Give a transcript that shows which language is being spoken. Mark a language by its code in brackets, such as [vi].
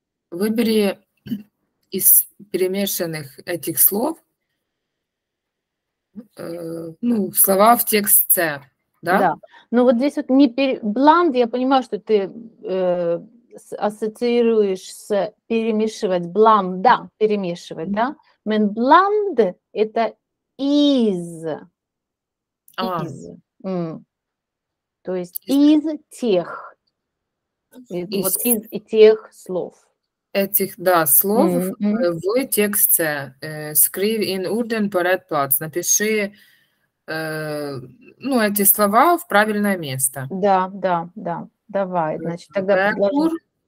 [ru] Выбери из перемешанных этих слов ну, слова в текст C. Да? Да. Но вот здесь вот не bland, я понимаю, что ты ассоциируешь с перемешивать bland, да, перемешивать, да? [sv] Men bland это is. Is. А. Mm. [ru] То есть из тех, вот из тех слов. Этих, да, слов в тексте. [sv] Skriv in orden på rätt plats. [ru] Напиши, ну, эти слова в правильное место. Да, да, да. Давай, значит, тогда предложим.